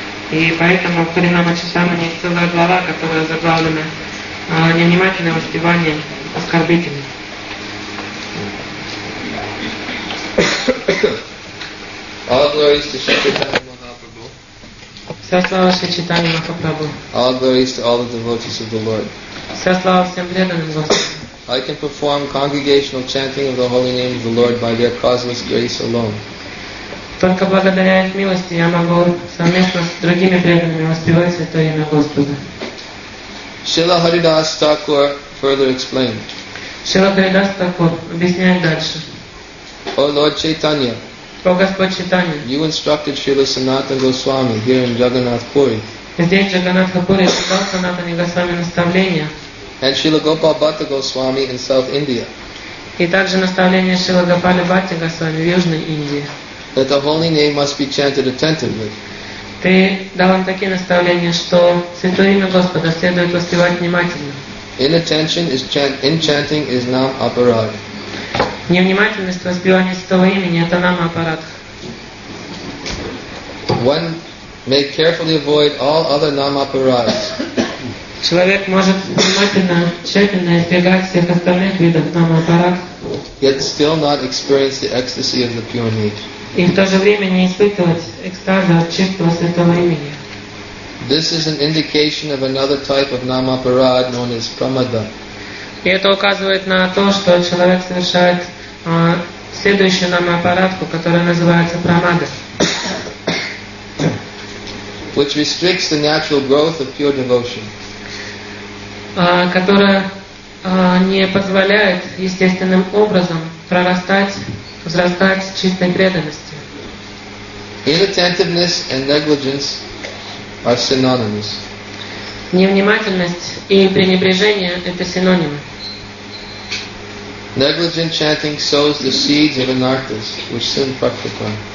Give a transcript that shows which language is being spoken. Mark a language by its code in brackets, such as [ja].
[ru] И поэтому в Харинама Чинтамани есть целая глава, которая заглавлена невнимательное воспевание оскорбительно. [en] All glory to Sri Chaitanya Mahaprabhu. [ru] Вся слава Шри Чайтанье Махапрабху. [en] All glory to all the devotees of the Lord. [ru] Вся слава всем преданным Господу. [en] I can perform congregational chanting of the holy name of the Lord by their causeless grace alone. [ru] Только благодаря их милости я могу совместно с другими преданными воспевать Святое имя Господа. [en] Шрила Харидас Такур further explained. [ru] Шрила Харидас Такур объясняет дальше. [en] О Лорд Чайтанья. [ru] О Господь Чайтанья. [en] You instructed Шрила Санатан Госвами here in Джаганнат Пури. [ru] Здесь Джаганнат Пури читал Санатан Госвами наставления. [en] And Шрила Гопал Бхатта Госвами in South India. [ru] И также наставление Шрила Гопали Бхатта Госвами в Южной Индии. [en] That the holy name must be chanted attentively. [ru] Ты дал им такие наставления, что святое имя Господа следует воспевать внимательно. [en] Inattention is in chanting is nam aparadh. [ru] Невнимательность воспевания святого имени это нам аппарат. [en] One may carefully avoid all other nam aparadhs. [ru] Человек может внимательно, тщательно избегать всех остальных видов нам аппарат. [en] Yet still not experience the ecstasy of the pure name. [ru] И в то же время не испытывать экстаза от чистого святого имени. [en] This is an indication of another type of namaparad known as pramada. [ru] И это указывает на то, что человек совершает следующую намапарадку, которая называется прамада. [en] Which restricts the natural growth of pure devotion. [ru] Которая не позволяет естественным образом прорастать, взрастать чистой преданности. [en] Inattentiveness and negligence are synonyms. [ru] Невнимательность и пренебрежение это синонимы. [en] Negligent chanting sows the seeds of anarthas, which soon fructify.